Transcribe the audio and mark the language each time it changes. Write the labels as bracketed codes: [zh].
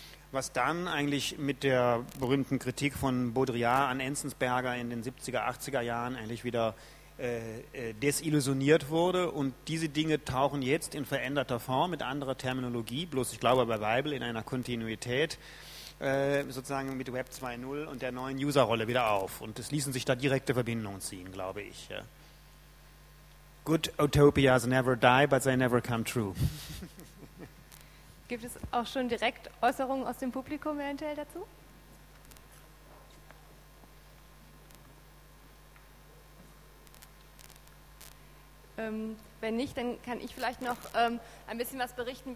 [de] Was dann eigentlich mit der berühmten Kritik von Baudrillard an Enzensberger in den 70er, 80er Jahren eigentlich wieder desillusioniert wurde. Und diese Dinge tauchen jetzt in veränderter Form mit anderer Terminologie, bloß ich glaube bei Weibel in einer Kontinuität, sozusagen mit Web 2.0 und der neuen User-Rolle wieder auf. Und es ließen sich da direkte Verbindungen ziehen, glaube ich. [en] Good utopias never die, but they never come true. [de] Gibt es auch schon direkt Äußerungen aus dem Publikum eventuell dazu? Wenn nicht, dann kann ich vielleicht noch ein bisschen was berichten.